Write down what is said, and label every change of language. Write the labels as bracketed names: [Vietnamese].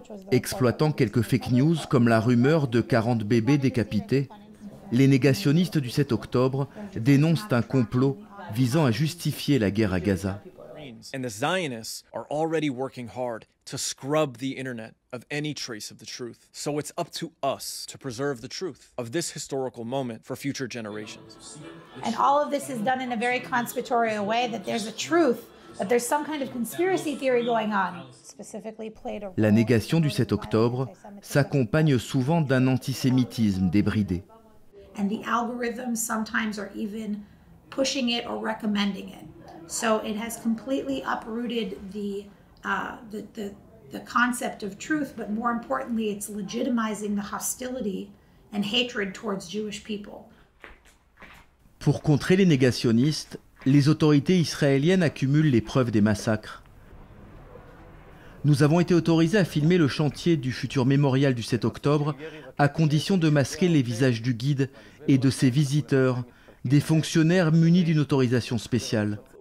[French] Exploitant quelques fake news comme la rumeur de 40 bébés décapités, les négationnistes du 7 octobre dénoncent un complot visant à justifier la guerre à Gaza. [English] And the Zionists are already working hard to scrub the internet of any trace of the truth. So it's up to us to preserve the truth of this historical moment for future generations. And all of this is done in a very conspiratorial way, that there's a truth, that there's some kind of conspiracy theory going on. [French] La négation du 7 octobre s'accompagne souvent d'un antisémitisme débridé. [English] And the algorithms sometimes are even pushing it or recommending it. So it has completely uprooted the concept of truth, but more importantly, it's legitimizing the hostility and hatred towards Jewish people. [French] Pour contrer les négationnistes, les autorités israéliennes accumulent les preuves des massacres. nous avons été autorisés à filmer le chantier du futur mémorial du 7 octobre, à condition de masquer les visages du guide et de ses visiteurs, des fonctionnaires munis d'une autorisation spéciale.